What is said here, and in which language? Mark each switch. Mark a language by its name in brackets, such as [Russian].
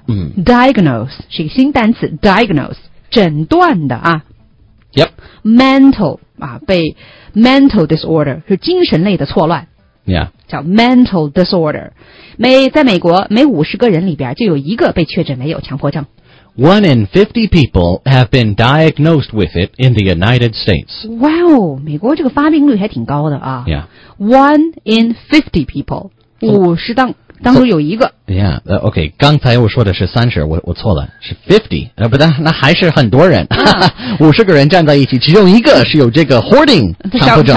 [Chinese] Diagnose, 是一个新单词 ,diagnose, 诊断的啊。 [English] Yep. [Chinese] Mental, 啊，被 mental disorder, 是精神类的错乱。 [English] Yeah. [Chinese] 叫 mental disorder. 在美国每50个人里边就有一个被确诊为有强迫症。 [English] One in 50 people have been diagnosed with it in the United States. Wow, [Chinese] 美国这个发病率还挺高的啊。 [English] Yeah. One in 50 people. [Chinese] 50当中有一个。 [English] So, yeah, okay, [Chinese] 刚才我说的是30, 我错了，是 50. 不但那还是很多人。50个人站在一起，其中一个是有这个 hoarding 强迫症。